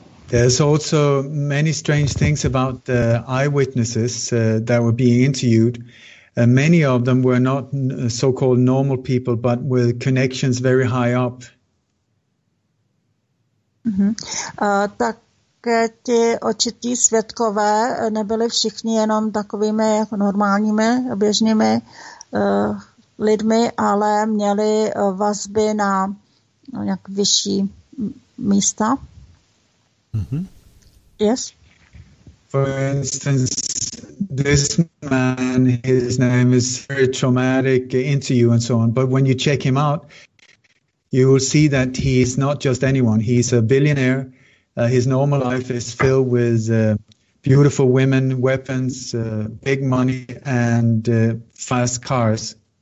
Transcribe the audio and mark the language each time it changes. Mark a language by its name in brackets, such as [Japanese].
[English] There's also many strange things about the eyewitnesses that were being interviewed. Many of them were not so-called normal people, but with connections very high up. [Czech] Tak ti očití svědkové nebyli všichni jenom takovými jako normálními, běžnými lidmi, ale měli vazby na nějak vyšší místa. Mm-hmm. [English] Yes? For instance, this man, his name is very traumatic interview and so on, but when you check him out, you will see that he is not just anyone. He's a billionaire. His normal life is filled with beautiful women, weapons, big money and fast cars.